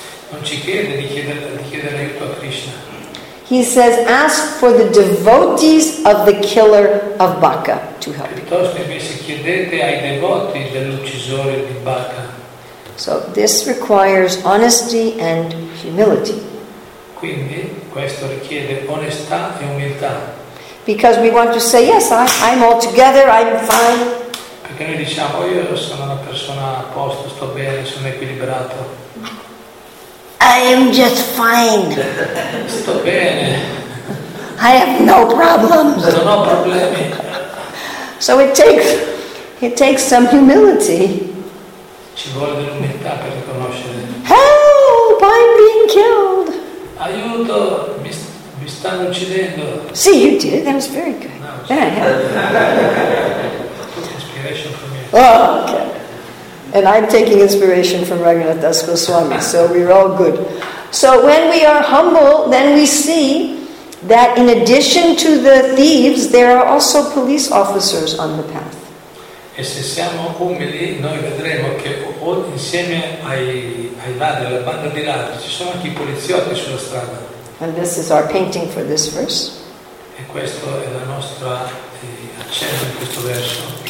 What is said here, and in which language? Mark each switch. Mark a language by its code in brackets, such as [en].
[it] Non ci chiede di chiedere aiuto a Krishna. [en] He says, ask for the devotees of the killer of Bacca to help you. [it] Piuttosto invece chiedete ai devoti dell'uccisore di Bacca. [en] So this requires honesty and humility. [it] Quindi questo richiede onestà e umiltà. [en] Because we want to say, yes, I'm all together, I'm fine. [it] Perché noi diciamo, io sono una persona a posto, sto bene, sono equilibrato. [en] I am just fine. [it] Sto bene. [en] I have no problems. [it] Non ho problemi. [en] So it takes some humility. [it] Ci vuole dell'umiltà per riconoscere. [en] Help, I'm being killed. [it] Aiuto, mi stanno uccidendo. [en] Sì, you did, that was very good. Inspiration from you. Oh, okay. And I'm taking inspiration from Raghunath Das Goswami, so we're all good. So when we are humble, then we see that in addition to the thieves, there are also police officers on the path. [it] E se siamo umili, noi vedremo che insieme ai ladri, alla banda di ladri, ci sono anche i poliziotti sulla strada. [en] And this is our painting for this verse. [it] E questo è la nostra accento in questo verso.